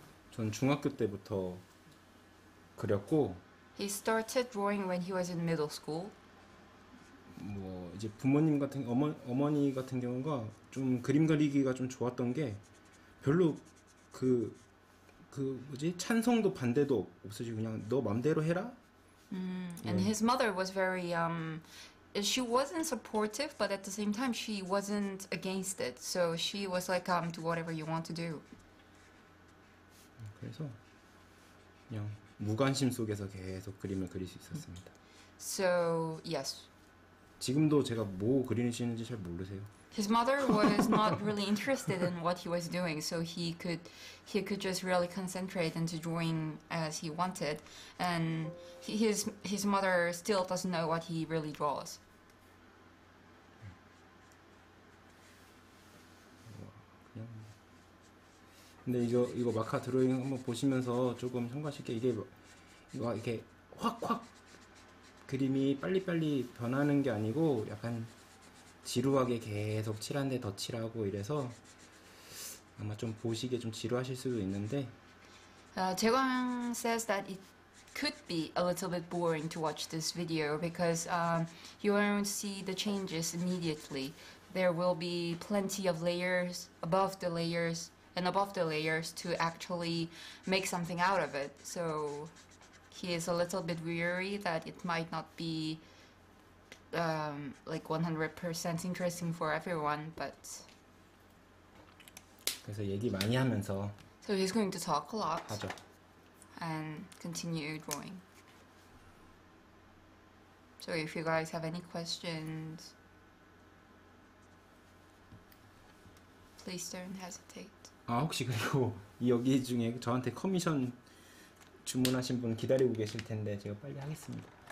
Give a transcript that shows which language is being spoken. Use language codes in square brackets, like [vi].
[ko] 전 중학교 때부터 그렸고 [en] He started drawing when he was in middle school. [ko] 뭐 이제 부모님 같은 어머니 같은 경우가 좀 그림 그리기가 좀 좋았던 게 별로 그 뭐지? 찬성도 반대도 없으시 그냥 너 마음대로 해라. [en] And his mother was very she wasn't supportive but at the same time she wasn't against it. So she was like do whatever you want to do. [ko] 그래서 그냥 무관심 속에서 계속 그림을 그릴 수 있었습니다. [en] So, yes. [ko] 지금도 제가 뭐 그리시는지 잘 모르세요. [en] His mother was not really interested in what he was doing, so he could just really concentrate into drawing as he wanted. And his mother still doesn't know what he really draws. [ko] 근데 이거 마카 드로잉 한번 보시면서 조금 참고하실게 이게 이렇게 확확 그림이 빨리빨리 변하는 게 아니고 약간 지루하게 계속 칠한 데 더 칠하고 이래서 아마 좀 보시기에 좀 지루하실 수도 있는데 [en] Jaegwon says that it could be a little bit boring to watch this video because you won't see the changes immediately. There will be plenty of layers above the layers and above the layers to actually make something out of it. So he is a little bit weary that it might not be like 100% interesting for everyone, but [ko] 그래서 얘기 많이 하면서 [en] So he's going to talk a lot [ko] 하죠. [en] and continue drawing. So if you guys have any questions, please don't hesitate. [ko] 아 혹시 그리고 여기 중에 저한테 커미션 주문하신 분 기다리고 계실 텐데 제가 빨리 하겠습니다.